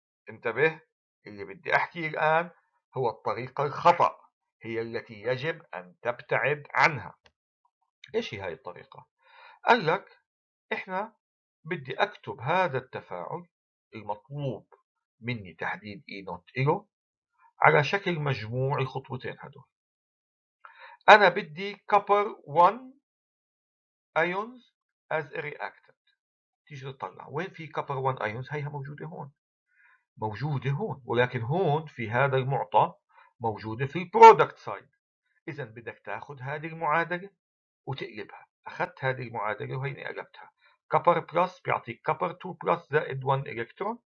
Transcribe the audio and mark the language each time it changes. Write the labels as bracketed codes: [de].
[ar] انتبه، اللي بدي أحكيه الآن هو الطريقة الخطأ، هي التي يجب أن تبتعد عنها. إيش هي هاي الطريقة؟ قال لك إحنا بدي أكتب هذا التفاعل المطلوب مني تحديد E not إلو على شكل مجموع الخطوتين هدول. أنا بدي [en] copper 1 ions as a reactant. [ar] تيجي تطلع وين في copper 1 ions؟ هيها موجودة هون، موجودة هون، ولكن هون في هذا المعطى موجودة في البرودكت سايد. إذا بدك تاخذ هذه المعادلة وتقلبها. أخذت هذه المعادلة وهيني قلبتها. كبر بلس بيعطيك كبر 2 بلس زائد 1 إلكترون.